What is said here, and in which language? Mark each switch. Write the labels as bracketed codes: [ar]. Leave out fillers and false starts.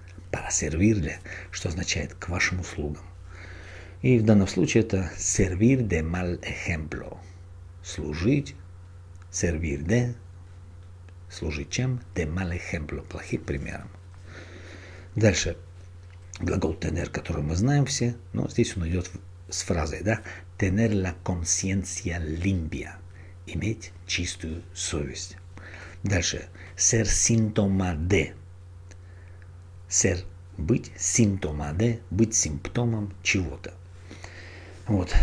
[es] Para servirle, [ru] что означает «к вашим услугам». И в данном случае это [es] servir de mal ejemplo. [ru] Служить, [es] servir de… [ru] Служить чем? [es] De mal ejemplo, [ru] плохим примером. Дальше. Глагол tener, который мы знаем все, но здесь он идет с фразой, да? [es] Tener la conciencia limpia. [ru] Иметь чистую совесть. Дальше. [es] Ser síntoma de. Ser [ru] быть [es] síntoma de, [ru] быть симптомом чего-то. Вот.